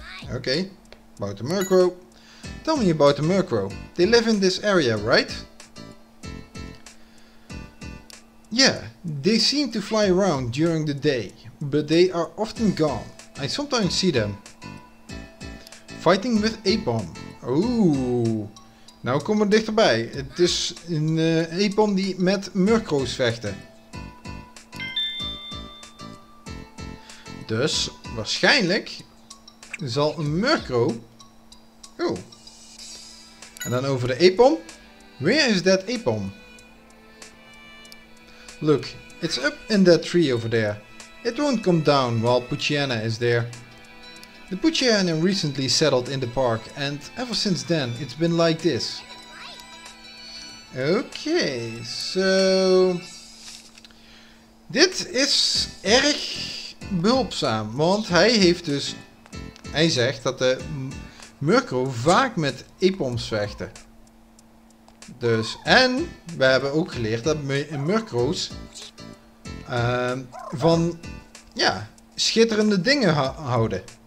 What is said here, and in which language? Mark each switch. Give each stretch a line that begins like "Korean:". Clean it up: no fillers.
English: Okay, about the Murkrow. Tell me about the Murkrow. They live in this area, right? Yeah, they seem to fly around during the day, but they are often gone. I sometimes see them fighting with Apom.
Dutch: Ooh, nou komen we dichterbij. Het is een Apom die met Murkrows vechten. Dus waarschijnlijk zal een Murkrow. Oh. En dan over de Apom.
English: Where is that Apom? Look, it's up in that tree over there. It won't come down while Poochyena is there. The Poochyena recently settled in the park and ever since then it's been like this.
Dutch: Okay, so dit is erg behulpzaam, want hij heeft dus, hij zegt dat de Murkrow vaak met Apoms vechten. Dus, en we hebben ook geleerd dat Murkrows van, ja, schitterende dingen houden.